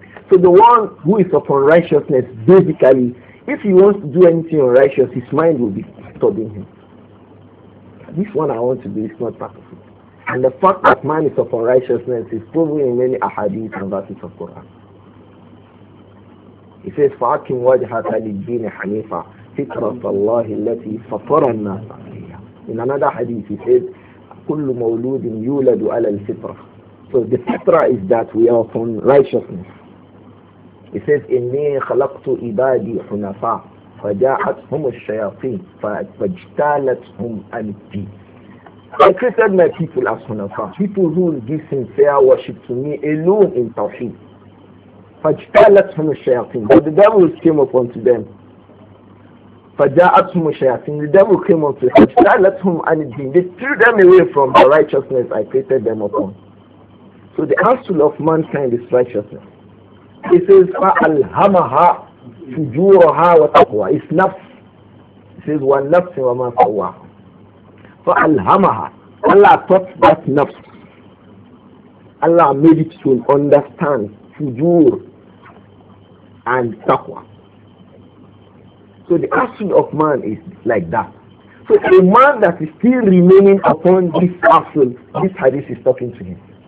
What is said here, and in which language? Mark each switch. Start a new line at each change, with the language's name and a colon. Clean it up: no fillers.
English: So the one who is upon righteousness, basically, if he wants to do anything unrighteous, his mind will be disturbing him. This one I want to do is not part of it. And the fact that man is upon righteousness is proven in many ahadith and verses of Quran. It says,
Arabic: فَأَكِمْ وَجْهَكَ لِلدِّينِ حَنِيفًا فِطْرَةَ اللَّهِ الَّتِي فَطَرَ النَّاسَ عَلَيْهَا.
English: In another hadith, he says,
Arabic: كل مولود يولد على الفطرة.
English: So the fitra is that we are upon righteousness. He says,
Arabic: إني خلقت عبادي حنفاء فجاءتهم الشياطين فاجتالتهم أنتي.
English: I created my people as حنفاء, people who give sincere worship to me alone in Tawheed.
Arabic: فاجتالتهم الشياطين,
English: but the devils came upon to them.
Arabic: فجاءتهم الشياطين,
English: the devil came unto them,
Arabic: فجاءتهم عن الدين,
English: they threw them away from the righteousness I created them upon. So the counsel of mankind is righteousness. It says,
Arabic: فألهمها فجورها وتقوى,
English: it's nafs. It says,
Arabic: والنفس وما سواها.
English: فألهمها, Allah taught that nafs. Allah made it to understand fujur and taqwa. So the action of man is like that. So a man that is still remaining upon this action, this hadith is talking to him.